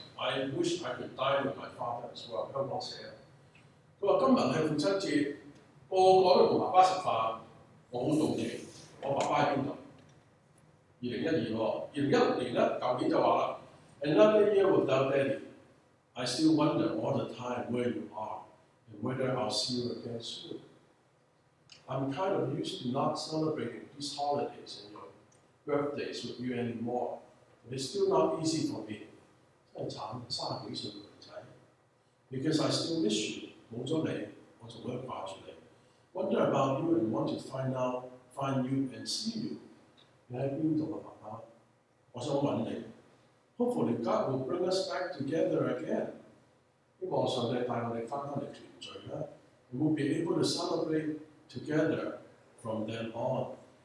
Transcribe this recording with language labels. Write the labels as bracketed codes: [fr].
[en] I wish I could dine with my father as well. [yue] 香港寫啊，佢話今日係父親節，個個都同爸爸食飯，我好動情。我爸爸喺邊度？2012年喎，2016年咧，舊年就話啦 ： Another year without daddy. [en] I still wonder all the time where you are and whether I'll see you again soon. I'm kind of used to not celebrating these holidays and your birthdays with you anymore. But it's still not easy for me. 真係慘，30多歲嘅女仔。 Because I still miss you. 冇咗你，我仲會掛住你。 Wonder about you and want to find you and see you. 你喺邊度啊，爸爸？我想揾你。 Hopefully God will bring us back together again. [yue] 希望上帝帶我哋翻返嚟團聚啦。 [en] We will be able to celebrate together from then on.